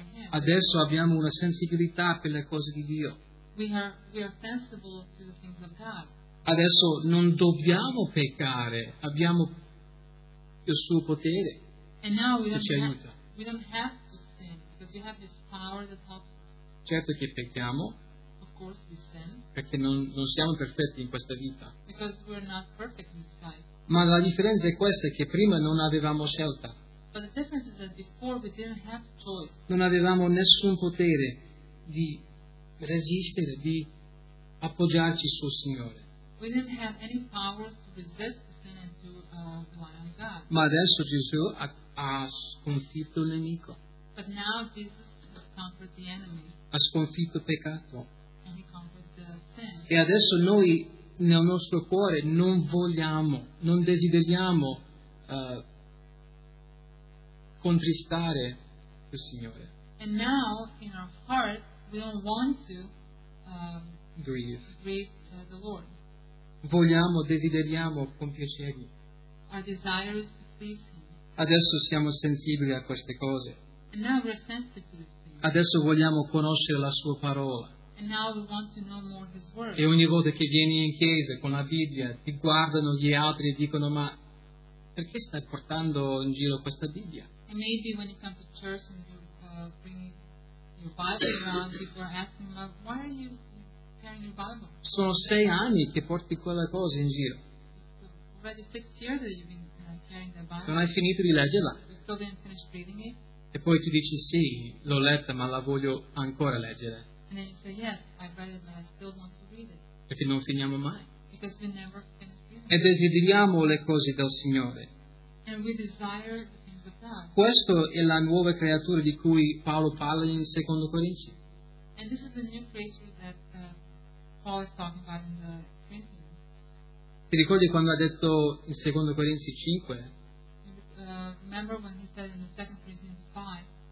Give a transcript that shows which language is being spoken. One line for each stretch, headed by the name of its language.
Italian: Adesso abbiamo una sensibilità per le cose di Dio.
English: We are sensible to the things of God.
Italian: Adesso non dobbiamo peccare, abbiamo il suo potere.
English: And now we
Italian: che
English: don't
Italian: ci aiuta.
English: We don't have to sin because we have this power that helps.
Italian: Certo che pecchiamo.
English: Of course we sin.
Italian: Perché non siamo perfetti in questa vita.
English: Because we're not perfect in this life.
Italian: Ma la differenza è questa, che prima non avevamo scelta.
English: But the difference is that before we didn't have choice.
Italian: Non avevamo nessun potere di resistere, di appoggiarci sul Signore.
English: We didn't have any power to resist the sin and to rely on God.
Italian: Ma adesso Gesù ha sconfitto il nemico.
English: But now Jesus has conquered the enemy.
Italian: Ha sconfitto il peccato.
English: And he conquered the sin.
Italian: E adesso noi nel nostro cuore non vogliamo, non desideriamo contristare il Signore.
English: And now in our heart we don't want to grieve the Lord.
Italian: Vogliamo, desideriamo compiacergli.
English: Our desire is to please him.
Italian: Adesso siamo sensibili a queste cose.
English: And now we're sensitive to this thing.
Italian: Adesso vogliamo conoscere la sua parola.
English: And now we want to know more his word.
Italian: E ogni volta che vieni in chiesa con la Bibbia ti guardano gli altri e dicono: ma perché stai portando in giro questa Bibbia?
English: And maybe when you come to church and you bring your Bible around, people are asking, why are you carrying your Bible?
Italian: Sono sei anni che porti quella cosa in giro.
English: It's already 6 years that you've been carrying the Bible.
Italian: Non hai finito di leggerla.
English: You still didn't finish reading it.
Italian: E poi tu dici, sì, l'ho letta, ma la voglio ancora leggere.
English: And then you say, yes, I've read it, but I still want to read it.
Italian: Perché non finiamo mai.
English: Because we never finish reading it.
Italian: E desideriamo le cose del Signore.
English: And we desire.
Italian: Questo è la nuova creatura di cui Paolo parla in Secondo Corinzi.
English: And this is the new creature that Paul is talking about in the Corinthians.
Italian: Ti ricordi quando ha detto in Secondo Corinzi 5?
English: Remember when he said in the Second Corinthians 5?